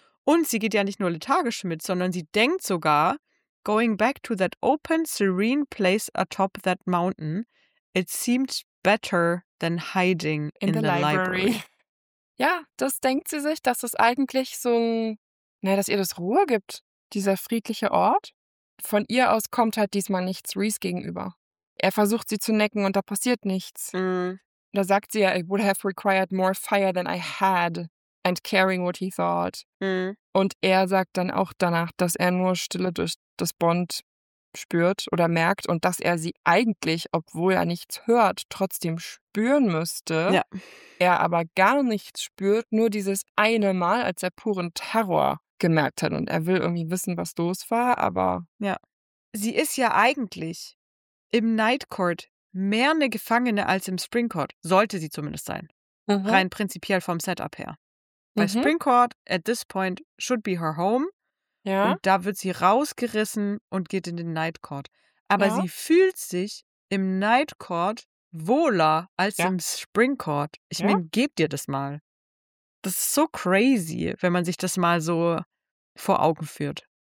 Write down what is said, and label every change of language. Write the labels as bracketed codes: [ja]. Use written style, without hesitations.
[de] Und sie geht ja nicht nur lethargisch mit, sondern sie denkt sogar, [en] going back to that open, serene place atop that mountain, it seemed better than hiding in the library. [de] Ja, das denkt sie sich, dass es eigentlich so ein, naja, dass ihr das Ruhe gibt, dieser friedliche Ort. Von ihr aus kommt halt diesmal nichts Reese gegenüber. Er versucht sie zu necken und da passiert nichts. Mm. Da sagt sie ja, [en] it would have required more fire than I had and caring what he thought. Mm. [de] Und er sagt dann auch danach, dass er nur Stille durch das Bond spürt oder merkt und dass er sie eigentlich, obwohl er nichts hört, trotzdem spüren müsste. Ja. Er aber gar nichts spürt, nur dieses eine Mal, als er puren Terror gemerkt hat und er will irgendwie wissen, was los war, aber... Ja. Sie ist ja eigentlich im Night Court mehr eine Gefangene als im Spring Court. Sollte sie zumindest sein. Mhm. Rein prinzipiell vom Setup her. [en] Bei Spring Court, at this point, should be her home. [de] Ja. Und da wird sie rausgerissen und geht in den Night Court. Aber sie fühlt sich im Night Court wohler als im Spring Court. Ich meine, gebt ihr das mal. Das ist so crazy, wenn man sich das mal so vor Augen führt.